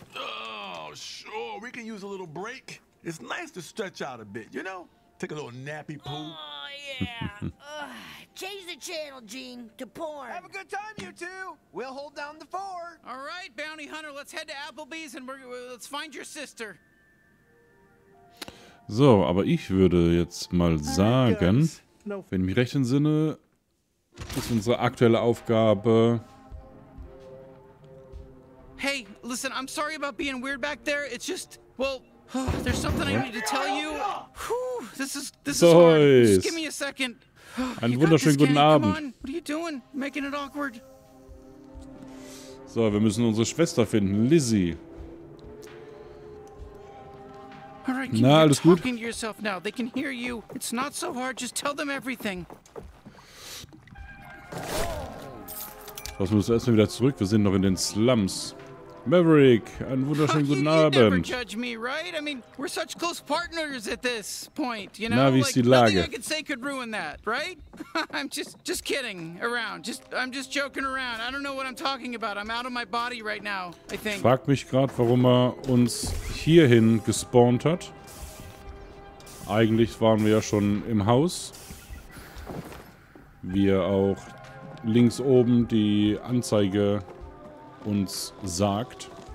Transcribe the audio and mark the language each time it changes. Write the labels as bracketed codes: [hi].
[en] Oh, sure, we can use a little break. It's nice to stretch out a bit, you know? Take a little nappy poo. Yeah. Change the channel, Gene, to porn. Have a good time, you two. We'll hold down the four. All right, bounty hunter, let's head to Applebee's and let's find your sister. [de] So, aber ich würde jetzt mal sagen, wenn ich mich recht entsinne, ist unsere aktuelle Aufgabe. [en] Hey, listen, I'm sorry about being weird back there. It's just, well, there's something I need to tell you. This is hard. Just give me a second. [de] Einen wunderschönen guten Abend. [en] Come on. What are you doing? Making it awkward. [de] So, wir müssen unsere Schwester finden, Lizzy. [en] All right, [de] na, alles gut? [en] Talking to yourself now. They can hear you. It's not so hard. Just tell them everything. [de] Was müssen wir erstmal wieder zurück? Wir sind noch in den Slums. Maverick, einen wunderschönen guten Abend. [en] You never judge me, right? I mean, we're such close partners at this point, you know? [de] Na, wie ist die Lage? [en] Nothing I could say could ruin that, right? I'm just kidding around. I'm just joking around. I don't know what I'm talking about. I'm out of my body right now, I think. [de] Frag mich gerade, warum er uns hierhin gespawnt hat. Eigentlich waren wir ja schon im Haus. Wie auch links oben die Anzeige uns sagt.